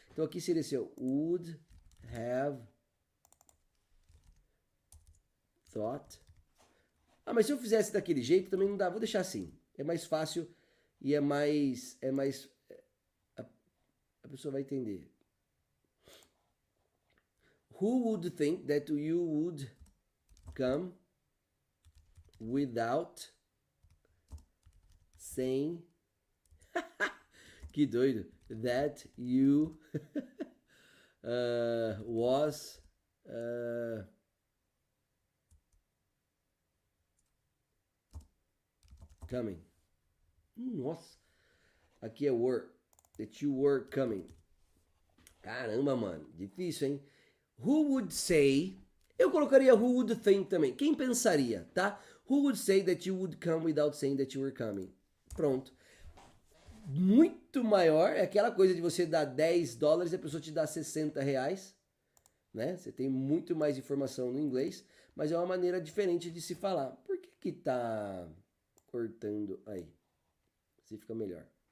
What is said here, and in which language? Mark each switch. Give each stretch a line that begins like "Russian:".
Portuguese: Então aqui seria assim,
English: would have thought.
Portuguese: Ah, mas se eu fizesse daquele jeito também não dá. Vou deixar assim. É mais fácil e é mais a pessoa vai entender.
English: Who would think that you would come without saying
Portuguese: que doido
English: that you was coming.
Portuguese: Nossa, aqui é
English: were, that you were coming.
Portuguese: Caramba, mano, difícil, hein?
English: Who would say?
Portuguese: Eu colocaria
English: who would think
Portuguese: também. Quem pensaria, tá?
English: Who would say that you would come without saying that you were coming?
Portuguese: Pronto. Muito maior é aquela coisa de você dar 10 dólares e a pessoa te dar R$ 60, né? Você tem muito mais informação no inglês, mas é uma maneira diferente de se falar. Por que que tá cortando aí? Se fica melhor.